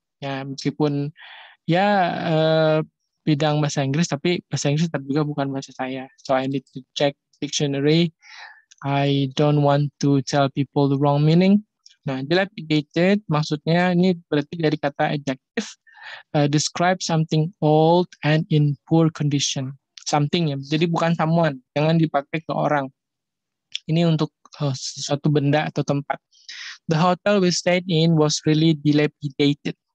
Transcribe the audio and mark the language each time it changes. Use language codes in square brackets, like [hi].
[id] Ya, meskipun ya bidang bahasa Inggris, tapi bahasa Inggris tetap juga bukan bahasa saya. [en] So I need to check dictionary. I don't want to tell people the wrong meaning. [id] Nah, dilapidated maksudnya ini berarti dari kata [en] adjective, describe something old and in poor condition. [id] Something ya, jadi bukan someone, jangan dipakai ke orang. Ini untuk sesuatu benda atau tempat. [en] The hotel we stayed in was really dilapidated.